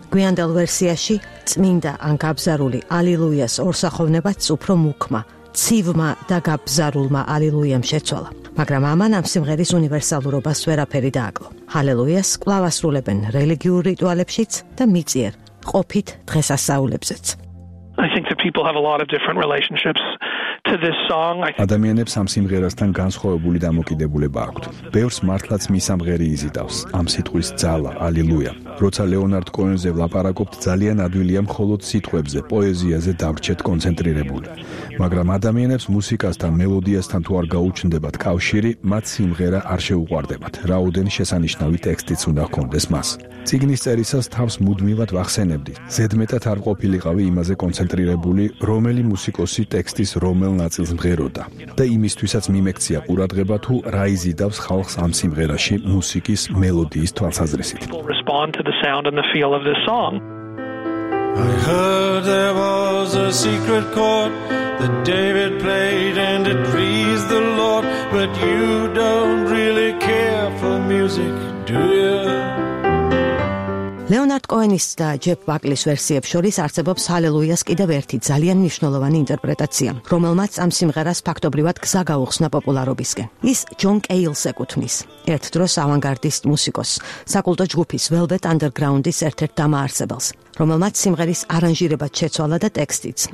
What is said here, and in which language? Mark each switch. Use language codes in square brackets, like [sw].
[ka] გვიანდელ ვერსიაში წმინდა ან გაბზარული ალილუიას ორსახოვნებაც უფრო მუქმა, ცივმა და გაბზარულმა ალილუიამ შეცვალა. მაგრამ ამან ამ სიმღერის უნივერსალურობას ვერაფერი დააკლო. ჰალელუიას კვლავ ასრულებენ რელიგიურ რიტუალებშიც და მიწიერ ყოფით დღესასწაულებზეც. [en] I think that people have a lot of different relationships to this song. [ka] ადამიანებს ამ სიმღერასთან განსხვავებული დამოკიდებულება აქვთ. ბევრს მართლაც მისამღერი იზიდავს ამ სიტყვის ძალა, ალილუია. როცა ლეონარდ კოენზე ვლაპარაკობთ, ძალიან ადვილია მხოლოდ სიტყვებზე, პოეზიაზე დავრჩეთ კონცენტრირებული. მაგრამ ადამიანებს მუსიკასთან, მელოდიასთან თუ არ გაუჩნდებათ კავშირი, მათ სიმღერა არ შეუყვარდებათ, რაოდენ შესანიშნავი ტექსტიც უნდა ჰქონდეს მას. ციგნის წერისას თავს მუდმივად ვახსენებდი. ზედმეტად არ ყოფილიყავი იმაზე კონცენტრირებული, რომელი მუსიკოსი ტექსტის რომელ ნაწილს მღეროდა. და იმისთვისაც მიმექცია ყურადღება, თუ რა იზიდავს ხალხს ამ სიმღერაში მუსიკის მელოდიის თვალსაზრისით. [en] To the sound and the feel of this song. I heard there was a secret chord that David played and it pleased the Lord, but you don't really care for music, do you? [ka] ლეონარდ კოენის და ჯეფ ბაკლის ვერსიებს შორის არსებობს ჰალელუიას კიდევ ერთი ძალიან მნიშვნელოვანი ინტერპრეტაცია, რომელმაც ამ სიმღერას ფაქტობრივად გზა გაუხსნა პოპულარობისკენ. ის ჯონ კეილს ეკუთვნის, ერთ დროს ავანგარდისტ მუსიკოს, საკულტო ჯგუფის Velvet Underground-ის ერთ-ერთ დამაარსებელს, რომელმაც სიმღერის არანჟირება შეცვალა და ტექსტიც.